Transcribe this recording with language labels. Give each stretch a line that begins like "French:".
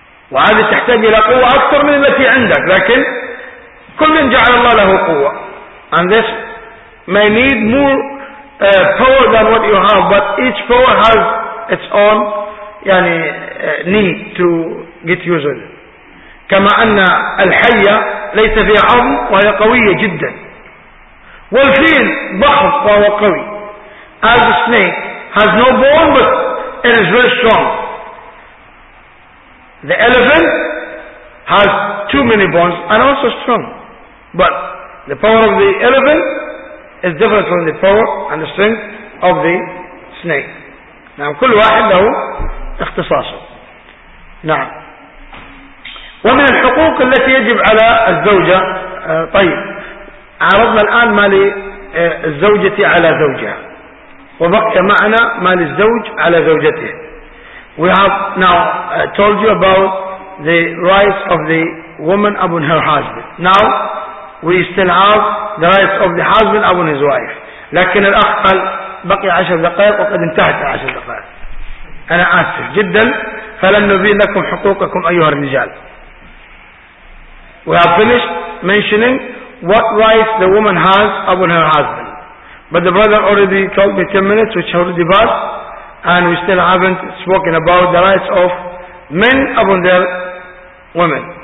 Arabic: وهذه تحتاج إلى قوة أكثر من التي عندك، لكن كل من جعل الله له قوة.
English: And this may need more power than what you have, but each power has its own يعني need to get used.
Arabic: كما أن الحية ليس فيها عظم وهي قوية جدا، والفيل ضخم وهو قوي.
English: As a snake has no bone but it is very strong. The elephant has too many bones and also strong. But the power of the elephant is different from the power and the strength of the snake.
Arabic: نعم كل واحد له اختصاصه. نعم. ومن الحقوق التي يجب على الزوجة، طيب عرضنا الآن ما للزوجة على زوجها، وبقي معنا ما للزوج على زوجته.
English: We have now told you about the rights of the woman upon her husband. Now we still have the rights of the husband upon his wife.
Arabic: لكن الأقل بقي عشر دقائق وقد انتهت عشر دقائق. أنا آسف جدا، فلن نبين لكم حقوقكم أيها الرجال.
English: We have finished mentioning what rights the woman has upon her husband. But the brother already told me 10 minutes which already passed, and we still haven't spoken about the rights of men upon their women.